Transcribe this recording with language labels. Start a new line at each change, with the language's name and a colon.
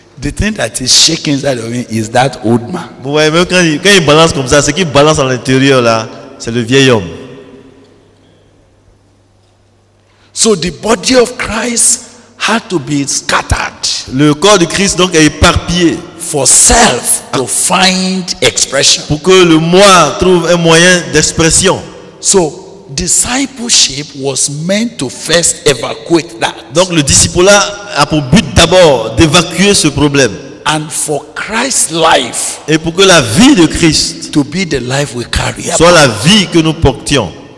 English: The thing that is shaking inside of him is that old man.
French: Vous voyez, même quand il balance comme ça, ce qui balance à l'intérieur là, c'est le vieil homme.
English: So the body of Christ had to be scattered.
French: Le corps de Christ donc est éparpillé.
English: For self to find expression.
French: Pour que le moi trouve un moyen d'expression.
English: So discipleship was meant to first evacuate that.
French: Donc le discipulat a pour but d'abord d'évacuer ce problème.
English: And for Christ's life.
French: Et pour que la vie de Christ
English: to be the life we carry.
French: Soit
English: about.
French: La vie que nous portions.